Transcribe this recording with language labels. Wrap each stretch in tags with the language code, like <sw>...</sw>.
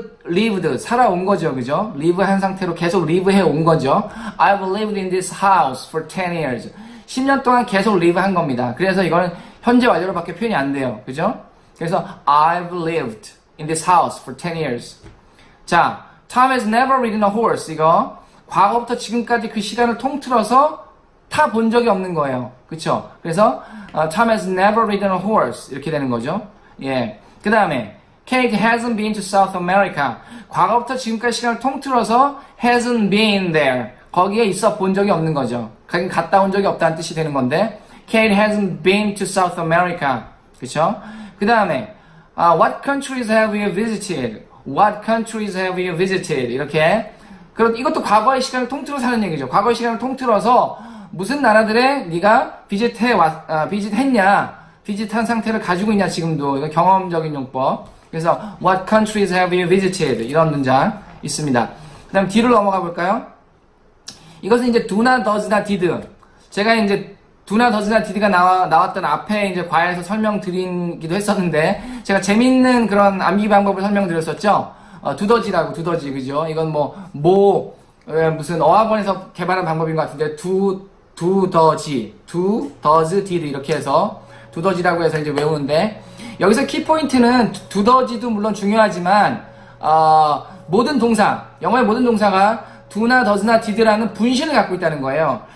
<ko>lived, 살아온 거죠. 그죠? live 한 상태로 계속 live 해 온 거죠.</ko> <en>I've lived in this house for 10 years.</en> <ko>10년 동안 계속 live 한 겁니다. 그래서 이거는 현재 완료로 밖에 표현이 안 돼요. 그죠? 그래서</ko> <en>I've lived in this house for 10 years. 자, Tom has never ridden a horse.</en> <ko>이거. 과거부터 지금까지 그 시간을 통틀어서 타본 적이 없는 거예요. 그쵸? 그래서</ko> <en>Tom has never ridden a horse.</en> <ko>이렇게 되는 거죠. 예. 그 다음에</ko> <en>Kate hasn't been to South America.</en> <ko>과거부터 지금까지 시간을 통틀어서</ko> <en>hasn't been there.</en> <ko>거기에 있어 본 적이 없는 거죠. 거기 갔다 온 적이 없다는 뜻이 되는 건데</ko> <en>Kate hasn't been to South America.</en> <ko>그쵸?</ko> <en>그 다음에 What countries have you visited? What countries have you visited?</en> <ko>이렇게 그럼 이것도 과거의 시간을 통틀어서 하는 얘기죠. 과거의 시간을 통틀어서 무슨 나라들에 네가 비짓했냐, 비짓한 상태를 가지고 있냐 지금도 이거 경험적인 용법. 그래서</ko> <en>What countries have you visited?</en> <ko>이런 문장 있습니다. 그다음 D를 넘어가 볼까요? 이것은 이제 do나 does나 did. 제가 이제 do나 does나 did가 나왔던 앞에 이제 과에서 설명드리기도 했었는데 제가 재밌는 그런 암기 방법을 설명드렸었죠. 두더지라고 두더지 그죠? 이건 무슨 어학원에서 개발한 방법인 것 같은데 두더지 이렇게 해서 두더지라고 해서 이제 외우는데 여기서 키포인트는 두더지도 물론 중요하지만 모든 동사 영어의 모든 동사가 두나 더즈나 디드라는 분신을 갖고 있다는 거예요.</ko>